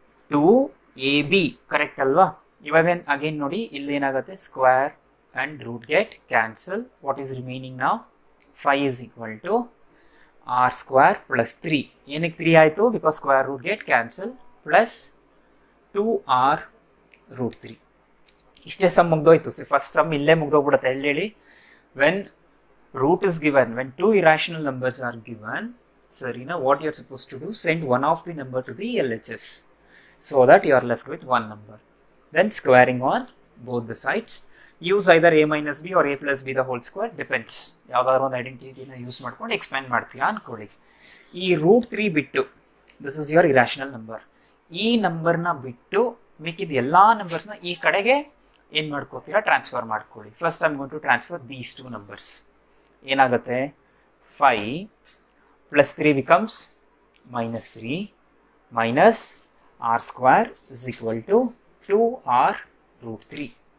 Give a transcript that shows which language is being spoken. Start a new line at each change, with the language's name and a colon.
English: two A B correct
Kannada: ಅಲ್ವಾ ಇವಾಗ ಏನು ಅಗೇನ್ ನೋಡಿ ಇಲ್ಲೇನಾಗುತ್ತೆ
English: square and root get cancel what is remaining ನಾವು five is equal to R square plus three ಏನಕ್ಕೆ three ಆಯಿತು because square root get cancel plus two R root three
Kannada: ಇಷ್ಟೇ some ಮುಗ್ದೋಯ್ತು
English: so first sum
Kannada: ಇಲ್ಲೇ ಮುಗ್ದೋಗ್ಬಿಡುತ್ತೆ ಹೇಳಿ
English: When root is given when two irrational numbers are given Sarina, what you are supposed to do, send one of the number to the LHS so that you are left with one number. Then squaring on both the sides, use either a minus b or a plus b the whole square, depends.
Kannada: Yavadar one identity na use maadkondu expand maartiya ankoli. ಈ root three ಬಿಟ್ಟು,
English: This is your irrational number.
Kannada: ಈ ನಂಬರ್ನ ಬಿಟ್ಟು ಮಿಕ್ಕಿದ ಎಲ್ಲ ನಂಬರ್ಸ್ನ ಈ ಕಡೆಗೆ ಏನು ಮಾಡ್ಕೋತೀರಾ, ಟ್ರಾನ್ಸ್ಫರ್ ಮಾಡ್ಕೊಳ್ಳಿ.
English: First I'm going to transfer these two numbers.
Kannada: ಏನಾಗುತ್ತೆ,
English: 5 + 3 becomes -3 -r² is equal to 2r√3.